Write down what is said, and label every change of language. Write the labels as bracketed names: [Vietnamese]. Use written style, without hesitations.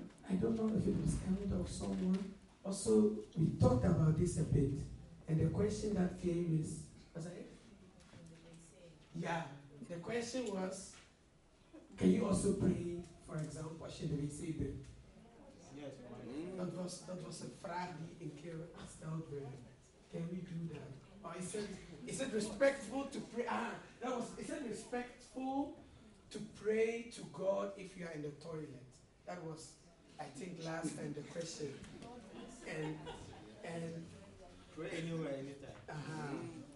[English] I don't know if it was Elder of someone. Also, we talked about this a bit. And the question that came is, was I? Yeah, the question was, can you also pray, for example, what should we say then? Yes, that was a [Dutch] vraag die een keer gesteld werd. [English] Can we do that? Or is it respectful to pray? Is it respectful to pray to God if you are in the toilet? That was, I think, last time the question. And pray anywhere, anytime.